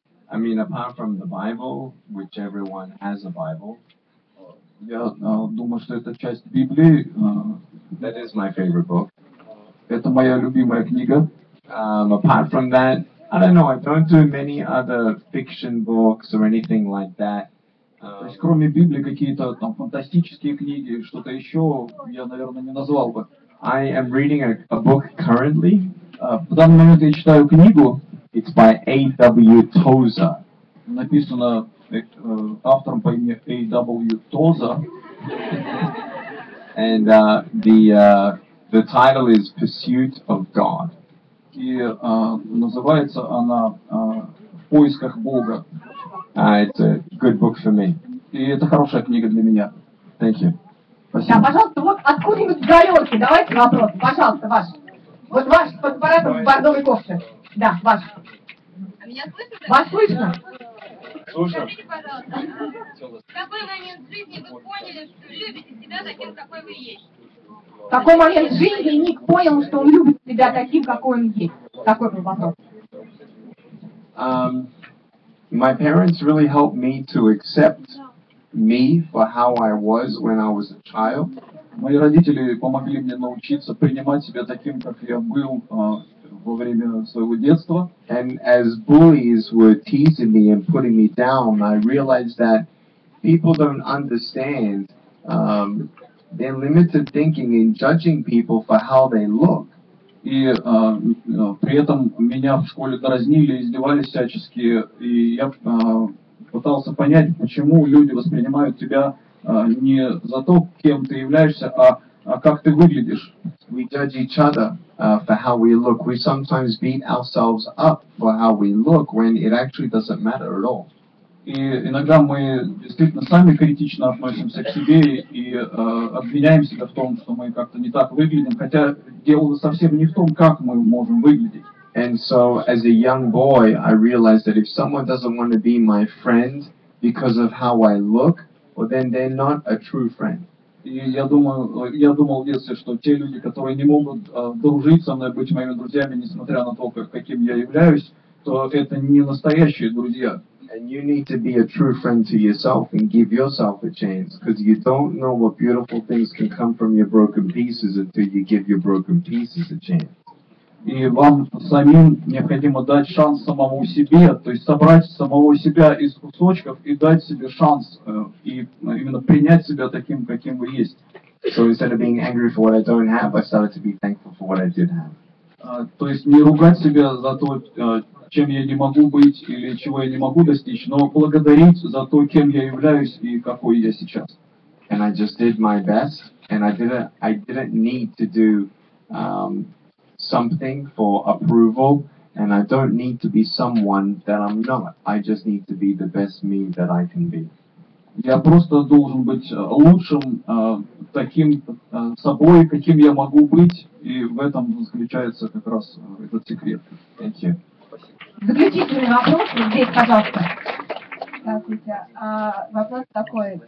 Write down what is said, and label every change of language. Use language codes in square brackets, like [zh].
[en] I mean, apart from the Bible, which everyone has a Bible. [ru] Я думаю, что это часть Библии. [en] That is my favorite book. [ru] Это моя любимая книга. [en] Apart from that, I don't know, I don't do many other fiction books or anything like that. [ru] То есть, кроме Библии, какие-то там фантастические книги, что-то еще я, наверное, не назвал бы. [en] I am reading a book currently. [ru] В данный момент я читаю книгу. [en] It's by A.W. Tozer. [ru] Написано автором по имени A.W. [en] Tozer. And the title is Pursuit of God. [ru] И называется она «В поисках Бога». [en] It's a good book for me. [ru] И это хорошая книга для меня. [en] Thank you. [ru] Спасибо. Да, пожалуйста, вот откуда-нибудь в галерке. Давайте вопрос. Пожалуйста, ваш. Вот ваш под аппаратом в бордовой кофте. Да, ваш. Меня слышно? Вас слышно? Слушаю. Скажите, пожалуйста, в какой момент жизни вы поняли, что любите себя таким, какой вы есть? В какой момент жизни Ник понял, что он любит себя таким, какой он есть? Такой был вопрос. [en] My parents really helped me to accept me for how I was when I was a child. [ru] Мои родители помогли мне научиться принимать себя таким, как я был во время своего детства. [en] And as bullies were teasing me and putting me down, I realized that people don't understand their limited thinking in judging people for how they look. [ru] И при этом меня в школе дразнили, издевались всячески, и я пытался понять, почему люди воспринимают тебя не за то, кем ты являешься, а как ты выглядишь. [en] We judge each other for how we look. We sometimes beat ourselves up for how we look when it actually doesn't matter at all. [ru] И иногда мы действительно сами критично относимся к себе и обвиняем себя в том, что мы как-то не так выглядим, хотя дело совсем не в том, как мы можем выглядеть. [en] And so, as a young boy, I realized that if someone doesn't want to be my friend because of how I look, well, then they're not a true friend. [ru] Я думал в детстве, что те люди, которые не могут дружить со мной, быть моими друзьями, несмотря на то, каким я являюсь, то это не настоящие друзья. [en] And you need to be a true friend to yourself and give yourself a chance, because you don't know what beautiful things can come from your broken pieces until you give your broken pieces a chance. [ru] И вам самим необходимо дать шанс самому себе, то есть собрать самого себя из кусочков и дать себе шанс и именно принять себя таким, каким вы есть. [en] So instead of being angry for what I don't have, I started to be thankful for what I did have. [ru] То есть не ругать себя за то, чем я не могу быть или чего я не могу достичь, но благодарить за то, кем я являюсь и какой я сейчас. [en] And I just did my best, and I didn't need to do something for approval, and I don't need to be someone that I'm not. I just need to be the best me that I can be. [ru] Я просто должен быть лучшим таким собой, каким я могу быть, и в этом заключается как раз этот секрет. [en] Thank you. [ru] Заключительный вопрос здесь, пожалуйста. Здравствуйте. Вопрос такой.